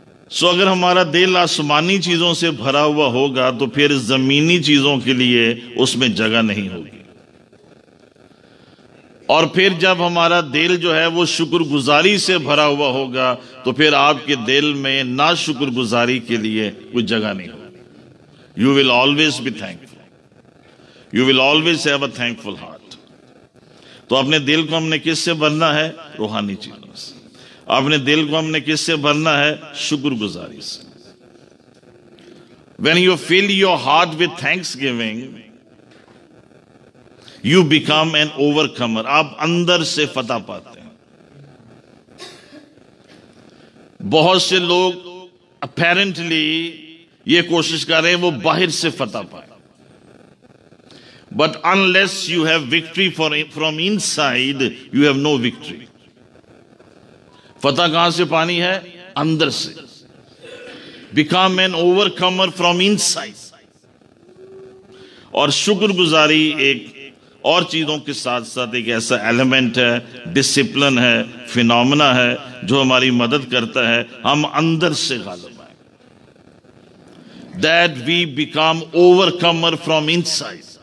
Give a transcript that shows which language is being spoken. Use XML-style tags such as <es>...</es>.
<hi>सो अगर हमारा दिल आसमानी चीजों से भरा हुआ होगा तो फिर जमीनी चीजों के लिए उसमें जगह नहीं होगी। और फिर जब हमारा दिल जो है वो शुक्रगुजारी से भरा हुआ होगा तो फिर आपके दिल में ना शुक्रगुजारी के लिए कोई जगह नहीं होगी।</hi> <en>You will always be thankful. You will always have a thankful heart.</en> <hi>तो अपने दिल को हमने किससे भरना है? रूहानी चीजों से। अपने दिल को हमने किससे भरना है? शुक्रगुजारी से।</hi> <en>When you fill your heart with thanksgiving, you become an overcomer.</en> <hi>आप अंदर से फतह पाते हैं। बहुत से लोग apparently ये कोशिश कर रहे हैं वो बाहर से फतह पाए।</hi> <en>But unless you have victory from inside, you have no victory.</en> <hi>फतह कहां से पानी है? अंदर से।</hi> <en>Become an overcomer from inside.</en> <hi>और शुक्रगुजारी एक और चीजों के साथ साथ एक ऐसा एलिमेंट है, डिसिप्लिन है, फिनोमेना है जो हमारी मदद करता है हम अंदर से गालिब आए।</hi> <en>That we become overcomer from inside.</en>